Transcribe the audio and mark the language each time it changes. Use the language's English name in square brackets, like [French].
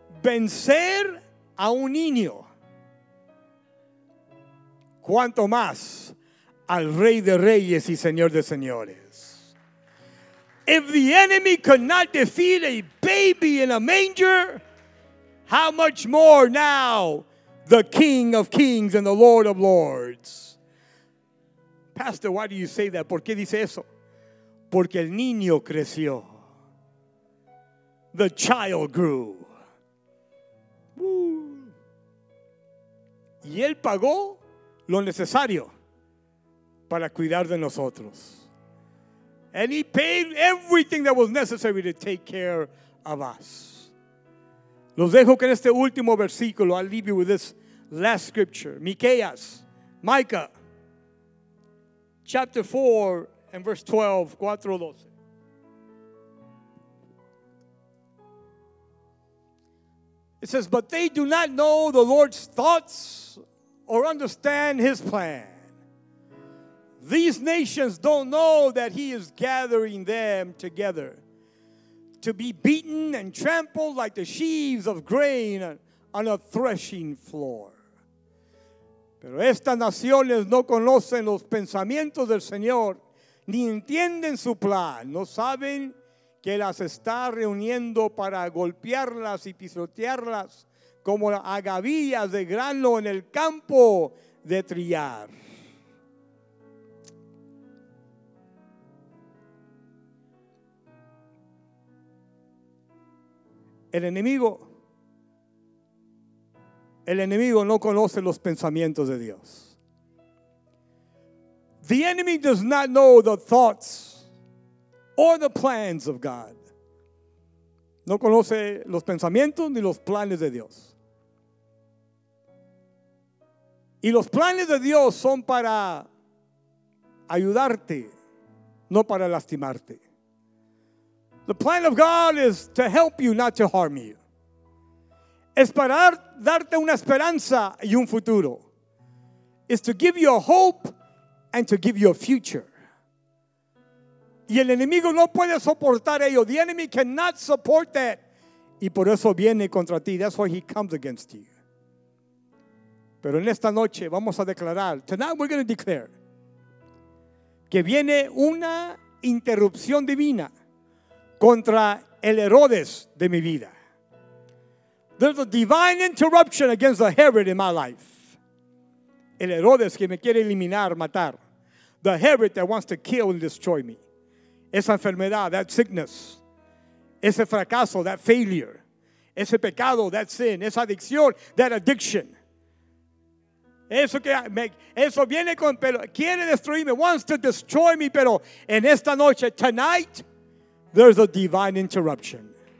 [Spanish] vencer a un niño, cuanto más al Rey de Reyes y Señor de Señores. [English] If the enemy could not defeat a baby in a manger, how much more now the King of Kings and the Lord of Lords. Pastor, why do you say that? [Spanish] ¿Por qué dice eso? Porque el niño creció. [English] The child grew. Woo. [Spanish] Y él pagó lo necesario para cuidar de nosotros. [English] And he paid everything that was necessary to take care of us. [Spanish] Los dejo con este último versículo. [English] I'll leave you with this last scripture. Miqueas, Micah, chapter 4 and verse 12, 4:12. It says, but they do not know the Lord's thoughts or understand his plan. These nations don't know that he is gathering them together to be beaten and trampled like the sheaves of grain on a threshing floor. [Spanish] Pero estas naciones no conocen los pensamientos del Señor ni entienden su plan. No saben que las está reuniendo para golpearlas y pisotearlas como a gavillas de grano en el campo de trillar. El enemigo no conoce los pensamientos de Dios. [English] The enemy does not know the thoughts or the plans of God. [Spanish] No conoce los pensamientos ni los planes de Dios. Y los planes de Dios son para ayudarte, no para lastimarte. [English] The plan of God is to help you, not to harm you. [Spanish] Es para darte una esperanza y un futuro. [English] Is to give you a hope and to give you a future. [Spanish] Y el enemigo no puede soportar ello. [English] The enemy cannot support that. [Spanish] Y por eso viene contra ti. [English] That's why he comes against you. [Spanish] Pero en esta noche vamos a declarar. [English] Tonight we're going to declare. [Spanish] Que viene una interrupción divina contra el Herodes de mi vida. [English] There's a divine interruption against the Herod in my life. [Spanish] El Herodes que me quiere eliminar, matar. [English] The Herod that wants to kill and destroy me. [Spanish] Esa enfermedad, [English] that sickness. [Spanish] Ese fracaso, [English] that failure. [Spanish] Ese pecado, [English] that sin. [Spanish] Esa adicción, [English] that addiction. [Spanish] Eso viene con, pero quiere destruirme, [English] wants to destroy me, [Spanish] pero en esta noche, [English] tonight, there's a divine interruption.